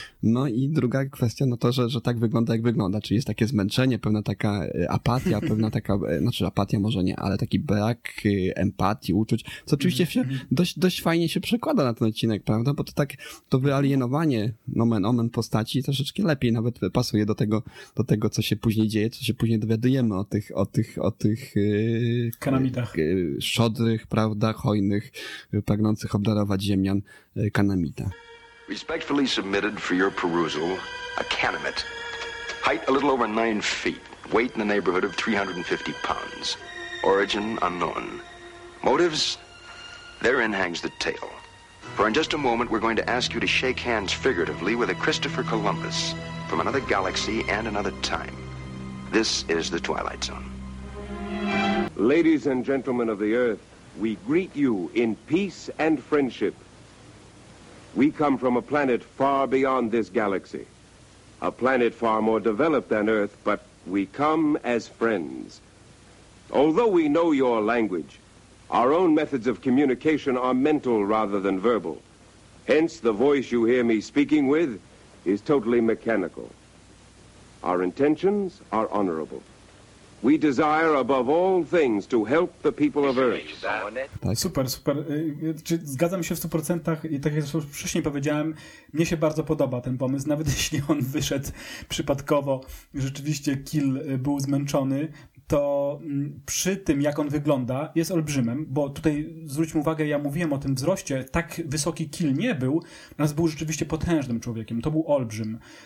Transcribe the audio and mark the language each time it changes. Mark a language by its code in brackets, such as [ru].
[pl] No i druga kwestia, no to, że tak wygląda, jak wygląda. Czyli jest takie zmęczenie, pewna taka apatia, pewna taka, znaczy apatia może nie, ale taki brak empatii, uczuć, co oczywiście się dość fajnie się przekłada na ten odcinek, prawda, bo to tak, to wyalienowanie nomen omen postaci troszeczkę lepiej nawet pasuje do tego, co się później dzieje, co się później dowiadujemy o tych kanamitach. Szczodrych, prawda, hojnych, pragnących obdarować ziemian kanamita. [en] Respectfully submitted for your perusal, a Kanamit. Height a little over 9 feet, weight in the neighborhood of 350 pounds. Origin unknown. Motives? Therein hangs the tale. For in just a moment, we're going to ask you to shake hands figuratively with a Christopher Columbus from another galaxy and another time. This is the Twilight Zone. Ladies and gentlemen of the Earth, we greet you in peace and friendship. We come from a planet far beyond this galaxy. A planet far more developed than Earth, but we come as friends. Although we know your language, our own methods of communication are mental rather than verbal. Hence, the voice you hear me speaking with is totally mechanical. Our intentions are honorable. We desire above all things to help the people of Earth. [pl] Tak. Super, super. Zgadzam się w 100% i tak jak wcześniej powiedziałem, mnie się bardzo podoba ten pomysł, nawet jeśli on wyszedł przypadkowo, rzeczywiście Kill był zmęczony, to przy tym, jak on wygląda, jest olbrzymem, bo tutaj zwróćmy uwagę, ja mówiłem o tym wzroście, tak wysoki Kill nie był, nas był rzeczywiście potężnym człowiekiem, to był olbrzym.